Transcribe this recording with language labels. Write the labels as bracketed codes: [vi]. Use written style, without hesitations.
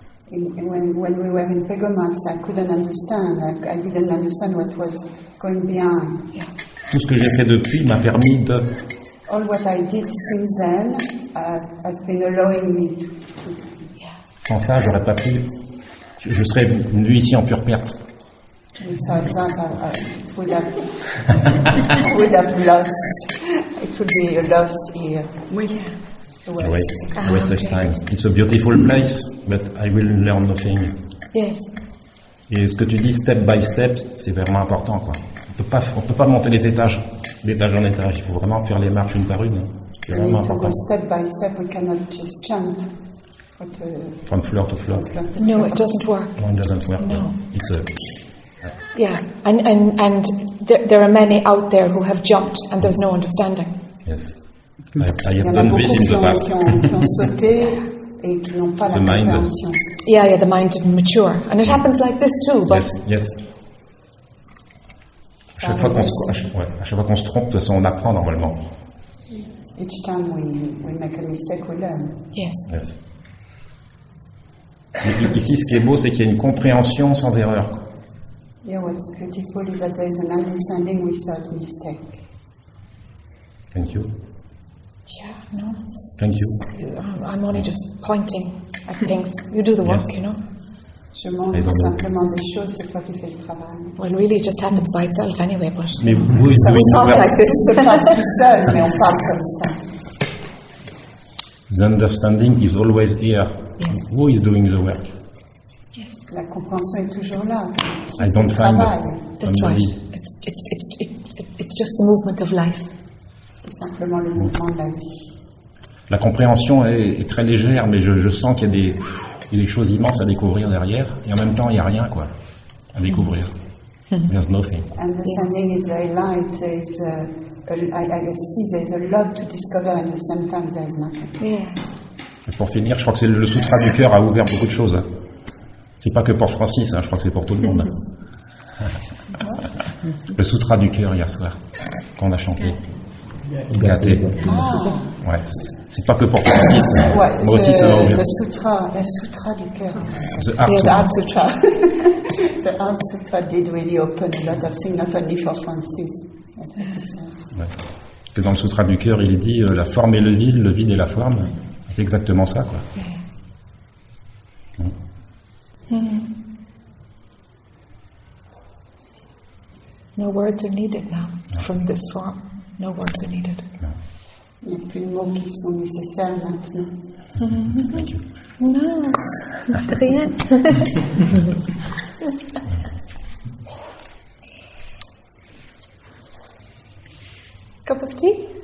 [en] When we were in Pegomas, I couldn't understand. I didn't understand what was going behind. Yeah. [fr] Tout ce que j'ai fait depuis m'a permis de. [en] All what I did since then has been allowing me to. Yeah. [fr] Sans ça, j'aurais pas pu. Je serais venu ici en pure perte. [en] Without that, I would have lost. It would be a lost year. [fr] Oui. [en] Wasted time. It's a beautiful place, but I will learn nothing. Yes. [fr] Et ce que tu dis, [en] step by step, [fr] c'est vraiment important, quoi. On peut pas monter les étages, d'étage en étage. Il faut vraiment faire les marches une par une. C'est vraiment important. [en] Step by step, we cannot just jump. From floor to floor. No, it doesn't work. No, it doesn't work. No. It's a. Yeah, and there are many out there who have jumped, and there's no understanding. Yes. [fr] Il y en a beaucoup qui ont sauté et qui n'ont pas [en] the [fr] la [en] mind. [fr] Compréhension. [en] Yeah, the mind didn't mature. And it happens like this too, but... Yes. [fr] À chaque fois qu'on se trompe, de toute façon, on apprend normalement. [en] Each time we make a mistake, we learn. Yes. Yes. [fr] Et ici, ce qui est beau, c'est qu'il y a une compréhension sans erreur. [en] Yeah, what's beautiful is that there is an understanding without mistake. Thank you. Yeah, no. Thank you. I'm only just pointing at things. You do the work, yes. You know. [fr] Je montre simplement des choses, c'est toi qui fais le travail. [en] Well, really, it just happens by itself anyway, but... [fr] Mais vous, ça se passe like tout seul, mais on parle comme ça. [en] The understanding is always here. Yes. Who is doing the work? Yes. [fr] La compréhension est toujours là. [en] I don't find [fr] travail. [en] Somebody. That's right. It's just the movement of life. C'est simplement le mouvement de la vie. [fr] La compréhension est très légère, mais je sens qu'il y a des choses immenses à découvrir derrière, et en même temps, il n'y a rien, quoi, à découvrir. [en] There's nothing. Understanding is very light. I see there's a lot to discover, and at the same time, there's nothing. Yeah. [fr] Pour finir, je crois que c'est le sutra du cœur a ouvert beaucoup de choses. C'est pas que pour Francis, hein, je crois que c'est pour tout le monde. Le sutra du cœur hier soir, qu'on a chanté. Gâté. Ah. Ouais, c'est pas que pour Francis. Ouais, moi aussi, ça va ouvrir. Le sutra du cœur. [en] The art sutra. The art sutra did really open a lot of things, not only for Francis. [fr] Ouais. Que dans le sutra du cœur, il dit la forme est le vide est la forme. C'est exactement ça, quoi. [en] Yeah. Mmh. No words are needed now from this form. No words are needed. [fr] Il n'y a plus de mots qui sont nécessaires maintenant. Non, rien. [en] Cup of tea?